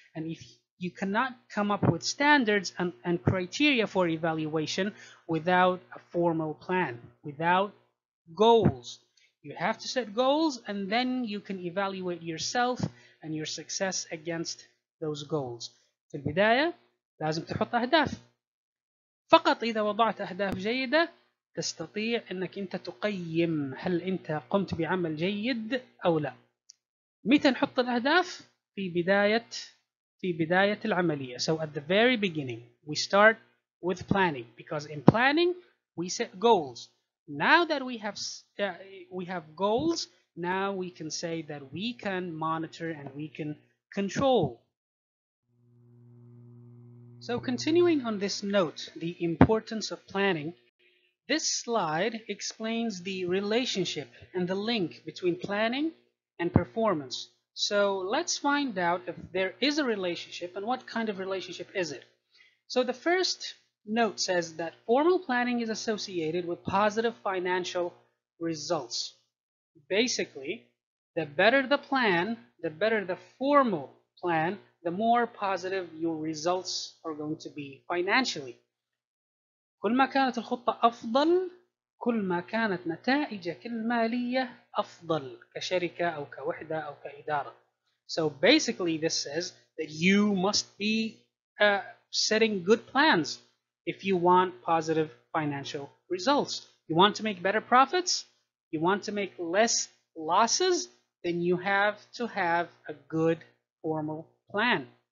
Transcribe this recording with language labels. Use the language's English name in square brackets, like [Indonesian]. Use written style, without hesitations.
[English] And if you cannot come up with standards and criteria for evaluation without a formal plan, without goals. You have to set goals, and then you can evaluate yourself and your success against those goals. [Arabic] في البداية لازم تحط أهداف. فقط إذا وضعت أهداف جيدة تستطيع أنك أنت تقيم هل أنت قمت بعمل جيد أو لا. متى نحط الأهداف؟ في بداية العملية. [English] So at the very beginning, we start with planning, because in planning we set goals. Now that we have goals, now we can say that we can monitor and we can control. So continuing on this note, the importance of planning, this slide explains the relationship and the link between planning and performance. So let's find out if there is a relationship and what kind of relationship is it. So the first note says that formal planning is associated with positive financial results. Basically, the better the plan, the better the formal plan, the more positive your results are going to be financially. [Arabic] كل ما كانت الخطة أفضل، كل ما كانت نتائجك المالية أفضل كشركة أو كوحدة أو كإدارة. [English] So basically, this says that you must be setting good plans if you want positive financial results. You want to make better profits, you want to make less losses, then you have to have a good formal plan.